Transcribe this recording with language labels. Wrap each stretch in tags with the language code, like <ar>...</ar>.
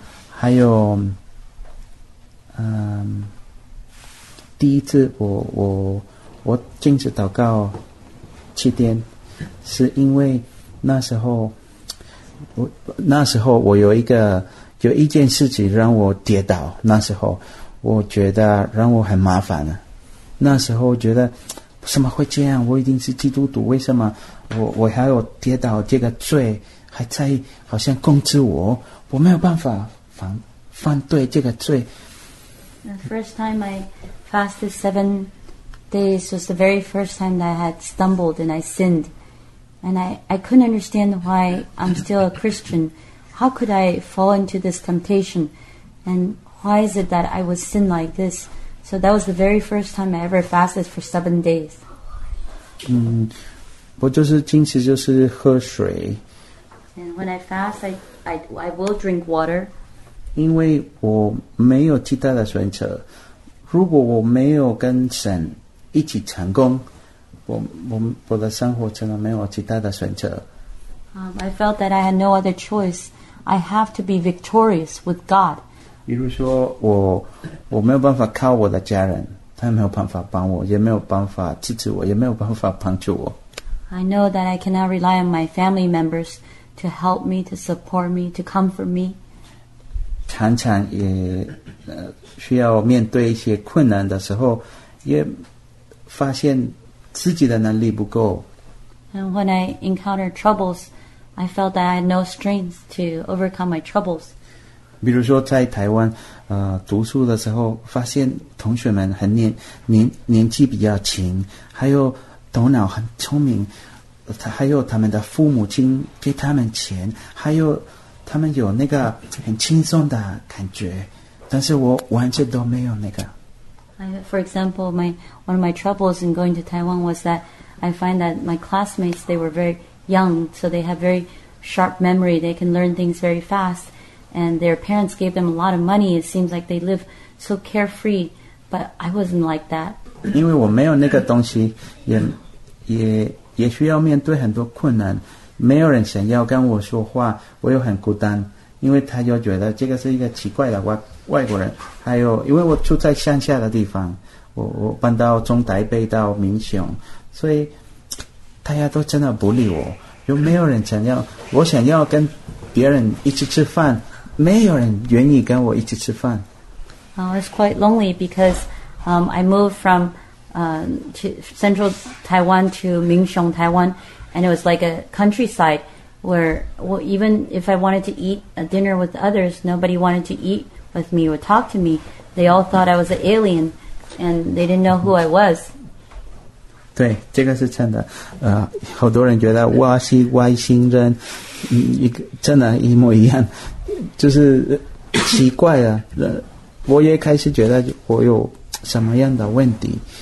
<zh>还有第一次我进食祷告7天，是因为那时候我有一件事情让我跌倒，那时候我觉得让我很麻烦了，那时候觉得什么会这样，我一定是基督徒，为什么我还有跌倒这个罪还在好像控制我，我没有办法反对这个罪。</zh> <en>The first time I fasted 7 days was the very first time that I had stumbled and I sinned. And I couldn't understand why I'm still a Christian. How could I fall into this temptation? And why is it that I would sin like this? So that was the very first time I ever fasted for 7 days.</en> <zh>我就是进食就是喝水。</zh> <en>And when I fast, I will drink water.</en> <zh>因为我没有其他的选择，如果我没有跟神一起成功，我的生活真的没有其他的选择。</zh> <en>I felt that I had no other choice. I have to be victorious with God.</en> <zh>比如说我没有办法靠我的家人，他没有办法帮我，也没有办法支持我，也没有办法帮助我。</zh> <en>I know that I cannot rely on my family members to help me, to support me, to comfort me.</en> <zh>常常也需要面对一些困难的时候，也发现自己的能力不够。</zh> <en>And when I encountered troubles, I felt that I had no strength to overcome my troubles.</en> <zh>比如说在台湾读书的时候，发现同学们很年纪比较轻，还有头脑很聪明，还有他们的父母亲给他们钱，还有他们有那个很轻松的感觉，但是我完全都没有那个。</zh> <en>For example, one of my troubles in going to Taiwan was that I find that my classmates, they were very young, so they have very sharp memory, they can learn things very fast, and their parents gave them a lot of money, it seems like they live so carefree, but I wasn't like that.</en> <zh>因为我没有那个东西，也需要面对很多困难，没有人想要跟我说话，我又很孤单，因为他又觉得这个是一个奇怪的外国人。还有因为我住在乡下的地方，我搬到中台北到民雄，所以大家都真的不理我，又没有人想要，我想要跟别人一起吃饭，没有人愿意跟我一起吃饭。</zh> <en>It's quite lonely because I moved from to central Taiwan to 民雄 Taiwan. And it was like a countryside where, well, even if I wanted to eat a dinner with others, nobody wanted to eat with me or talk to me. They all thought I was an alien and they didn't know who I was.</en> <zh>对，这个是真的。好多人觉得我是外星人，真的一模一样，就是奇怪啊。我也开始觉得我有什么样的问题。</zh>